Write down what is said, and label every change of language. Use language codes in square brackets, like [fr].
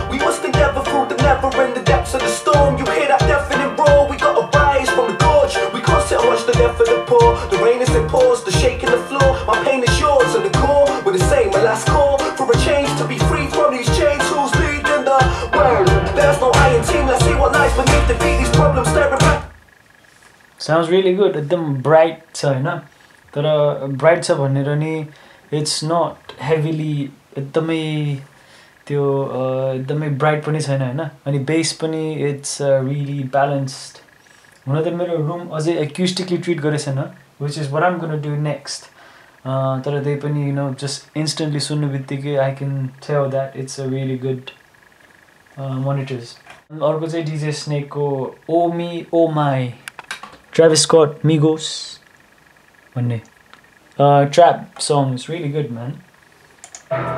[en] We must endeavor through the never in the depths of the storm. You hear that deafening roar, we got a rise from the gorge. We cross it and watch the death of the poor. The rain is in pause, the shake in the floor. My pain is yours and the core. We're the same, my last call for a change to be free from these chains. Who's leading the world? There's no iron team, let's see what lies beneath the feet. These problems staring back. Sounds really good. [ne] एकदम bright छ होइन, तर bright छ भनेर नि [en] it's not heavily, [ne] एकदमै त्यो एकदमै ब्राइट पनि छैन होइन. अनि बेस पनि [en] It's really balanced. [ne] हुन त मेरो रुम अझै एक्युस्टिकली ट्रिट गरेको छैन, [en] Which is what I'm gonna do next. [ne] तर त्यही पनि [en] you know just instantly [ne] सुन्नु बित्तिकै [en] I can tell that it's a really good monitors. [ne] अर्को चाहिँ [en] DJ स्नेकको oh me oh my, Travis Scott, Migos, one day. Trap song is really good, man.